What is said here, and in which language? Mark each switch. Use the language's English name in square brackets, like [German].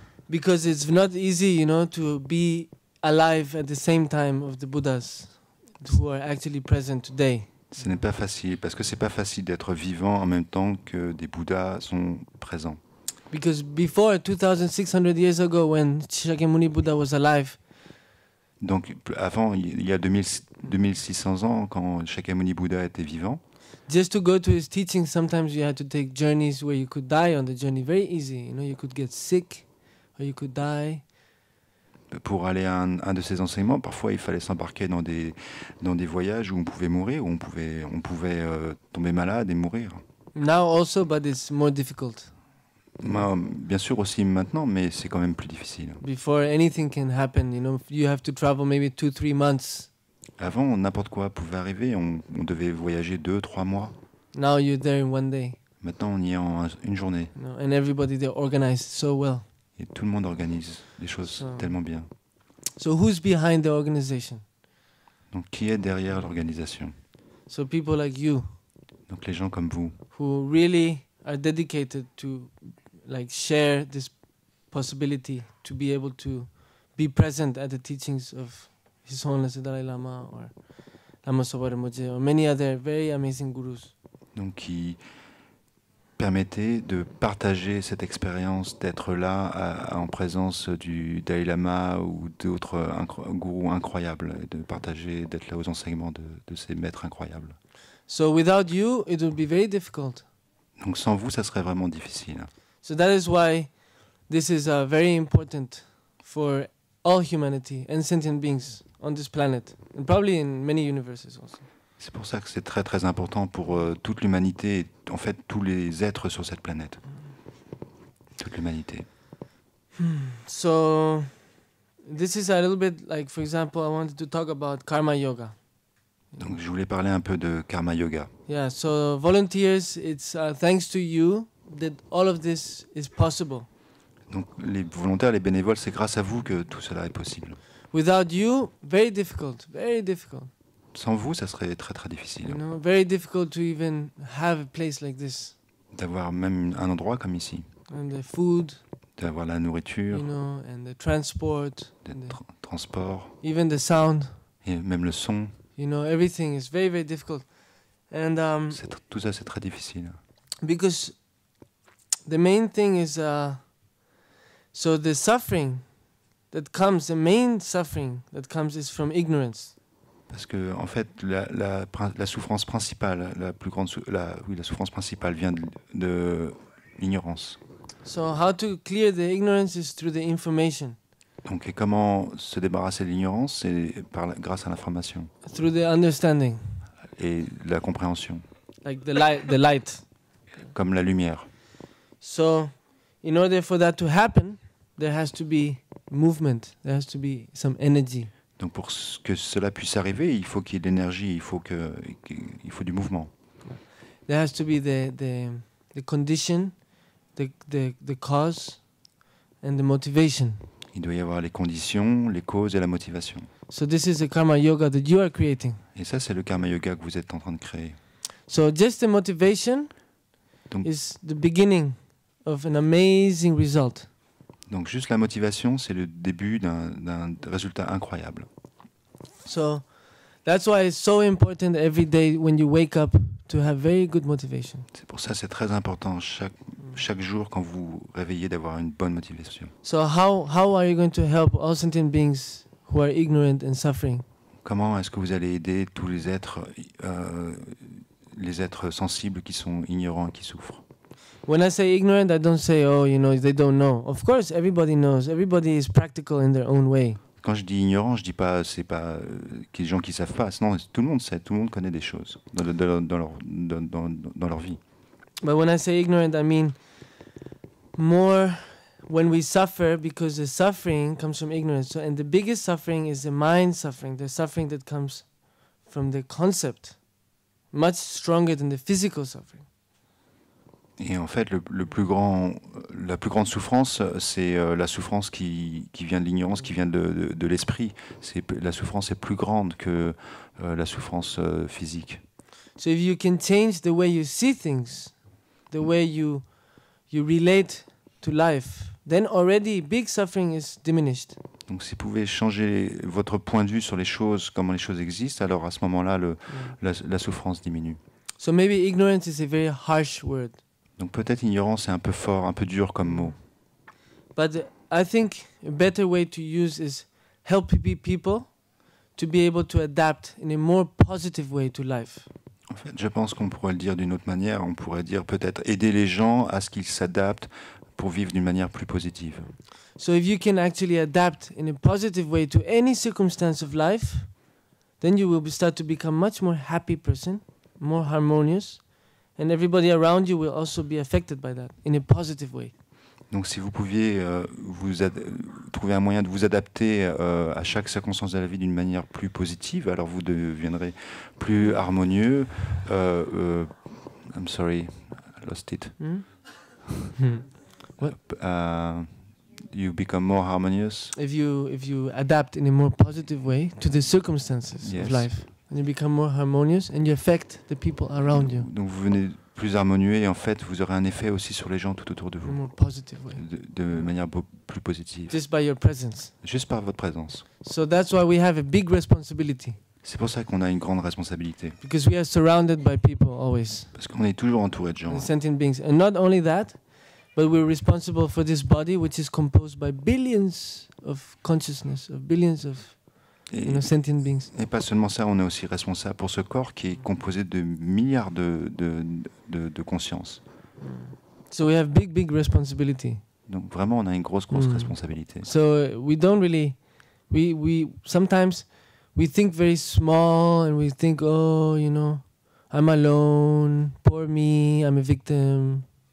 [English] Because it's not easy, you know, to be alive at the same time of the Buddhas who are actually present today. [French] Ce n'est pas facile parce que c'est pas facile d'être vivant en même temps que des Bouddhas sont présents. [English] Because before 2600 years ago when Shakyamuni Buddha was alive. [French] Donc avant il y a 2000 2600 ans quand Shakyamuni Bouddha était vivant. [English] Just to go to his teaching, sometimes you had to take journeys where you could die on the journey. Very easy, you know, you could get sick or you could die. [French] Pour aller à un de ses enseignements, parfois il fallait s'embarquer dans des voyages où on pouvait mourir, où on pouvait tomber malade et mourir. [English] Now also, but it's more difficult. [French] Bien sûr aussi maintenant, mais c'est quand même plus difficile. [English] Before anything can happen, you know, you have to travel maybe 2-3 months. [French] Avant, n'importe quoi pouvait arriver, on devait voyager 2-3 mois. [English] Now you're there in one day. [French] Maintenant, on y est en une journée. [English] And everybody they organized so well. [French] Et tout le monde organise les choses tellement bien. [English] So who's behind the organization? [French] Donc qui est derrière l'organisation? [English] So people like you. [French] Donc les gens comme vous. [English] Who really are dedicated to like share this possibility to be able to be present at the teachings of His Holiness the Dalai Lama or Lama Sobaremoje or many other very amazing gurus. [French] Donc qui permettait de partager cette expérience d'être là en présence du Dalai Lama ou d'autres gurus incroyables, de partager d'être là aux enseignements de ces maîtres incroyables. [English] So without you, it would be very difficult. [French] Donc sans vous, ça serait vraiment difficile. [English] So that is why this is very important for all humanity and sentient beings on this planet, and probably in many universes also. [French] C'est pour ça que c'est très très important pour toute l'humanité, en fait tous les êtres sur cette planète, toute l'humanité. [English] So this is a little bit like, for example, I wanted to talk about karma yoga. [French] Donc je voulais parler un peu de karma yoga. [English] Yeah, so volunteers, it's thanks to you that all of this is possible. [French] Donc les volontaires, les bénévoles, c'est grâce à vous que tout cela est possible. [English] Without you, very difficult, very difficult. [French] Sans vous, ça serait très très difficile. [English] You know, very difficult to even have a place like this. [French] D'avoir même un endroit comme ici. [English] And the food. [French] D'avoir la nourriture. [English] You know, and the transport. [French] Transport. [English] Even the sound. [French] Et même le son. [English] You know, everything is very very difficult. And [French] tout ça, c'est très difficile. [English] Because the main thing is so the suffering that comes, the main suffering that comes is from ignorance. [French] Parce que en fait la souffrance principale, la plus grande la souffrance principale vient de l'ignorance. [English] So how to clear the ignorance is through the information. [French] Donc et comment se débarrasser de l'ignorance, c'est grâce à l'information. [English] Through the understanding. [French] Et la compréhension. [English] Like the light. [French] Comme la lumière. [English] So in order for that to happen, there has to be movement, there has to be some energy. [French] Donc pour que cela puisse arriver, il faut qu'il y ait de l'énergie, il faut du mouvement. [English] There has to be the condition, the cause and the motivation. [French] Il doit y avoir les conditions, les causes et la motivation. [English] So this is the karma yoga that you are creating. [French] Et ça c'est le karma yoga que vous êtes en train de créer. [English] So just the motivation [French] donc, [English] is the beginning of an amazing result. [French] Donc juste la motivation, c'est le début d'un résultat incroyable. [English] So that's why it's so important every day when you wake up to have very good motivation. [French] C'est pour ça c'est très important chaque jour quand vous réveillez d'avoir une bonne motivation. [English] So how are you going to help all sentient beings who are ignorant and suffering? [French] Comment est-ce que vous allez aider tous les êtres sensibles qui sont ignorants et qui souffrent? [English] When I say ignorant, I don't say, oh, you know, they don't know. Of course, everybody knows. Everybody is practical in their own way. [French] Quand je dis ignorant, je dis pas, c'est pas qu'il y a des gens qui savent pas. Non, tout le monde sait, tout le monde connaît des choses dans leur vie. [English] But when I say ignorant, I mean more when we suffer, because the suffering comes from ignorance. So, and the biggest suffering is the mind suffering, the suffering that comes from the concept, much stronger than the physical suffering. [French] Et en fait, la plus grande souffrance, c'est la souffrance qui vient de l'ignorance, qui vient de l'esprit. C'est la souffrance est plus grande que la souffrance physique. [English] So if you can change the way you see things, the way you relate to life, then already big suffering is diminished. [French] Donc si vous pouvez changer votre point de vue sur les choses, comment les choses existent, alors à ce moment-là, la souffrance diminue. [English] So maybe ignorance is a very harsh word. [French] Donc peut-être ignorance est un peu fort, un peu dur comme mot. [English] But I think a better way to use is helping people to be able to adapt in a more positive way to life. [French] En fait, je pense qu'on pourrait le dire d'une autre manière. On pourrait dire peut-être aider les gens à ce qu'ils s'adaptent pour vivre d'une manière plus positive. [English] So if you can actually adapt in a positive way to any circumstance of life, then you will start to become much more happy person, more harmonious, and everybody around you will also be affected by that in a positive way. [French] Donc si vous pouviez trouver un moyen de vous adapter à chaque circonstance de la vie d'une manière plus positive, alors vous deviendrez plus harmonieux. [English] I'm sorry, I lost it. What? You become more harmonious. If you adapt in a more positive way to the circumstances yes. of life, and you become more harmonious and you affect the people around you. [French] Donc vous venez plus harmonieux et en fait vous aurez un effet aussi sur les gens tout autour de vous. [English] In a more positive way. [French] De manière plus positive. [English] Just by your presence. [French] Juste par votre présence. [English] So that's why we have a big responsibility. [French] C'est pour ça qu'on a une grande responsabilité. [English] Because we are surrounded by people always. [French] Parce qu'on est toujours entouré de gens. [English] And sentient beings, and not only that. But we're responsible for this body, which is composed by billions of consciousness, of billions of sentient beings. [French] Et pas seulement ça, on est aussi responsable pour ce corps qui est composé de milliards de conscience. [English] So we have big responsibility. [French] Donc vraiment, on a une grosse responsabilité. [English] So we don't really, we sometimes we think very small and we think, oh, you know, I'm alone, poor me, I'm a victim.